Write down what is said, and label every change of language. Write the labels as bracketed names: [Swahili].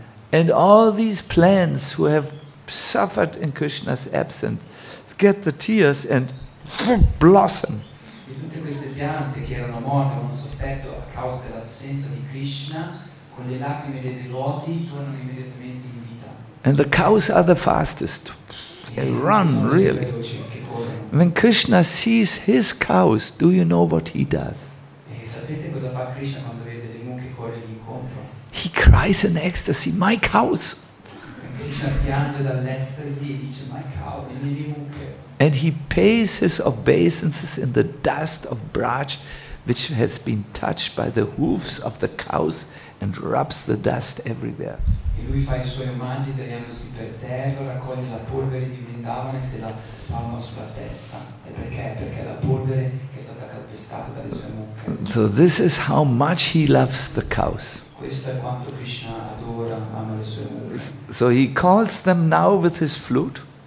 [English] And all these plants who have suffered in Krishna's absence get the tears and blossom. [Italian] E tutte queste piante che erano morte, hanno sofferto a causa dell'assenza di Krishna, con le lacrime dei devoti tornano immediatamente in vita. [English] And the cows are the fastest. They run really. When Krishna sees his cows, do you know what he does? [Italian] E sapete cosa fa Krishna quando vede le mucche correre incontro? [English] He cries in ecstasy, "My cows!" [Italian] Krishna piange dall'estasi e dice, [English] "My cows, [Italian] le mie mucche." [English] And he pays his obeisances in the dust of Braj, which has been touched by the hoofs of the cows, and rubs the dust everywhere. [Italian] E lui fa i suoi omaggi tenendosi per terra, raccoglie la polvere di Vrindavan e se la spalma sulla testa. E perché? Perché la polvere che è stata calpestata dalle sue mucche. [English] So this is how much he loves the cows. [Italian] Questo è quanto Krishna adora, ama le sue mucche. [English] So he calls them now with his flute.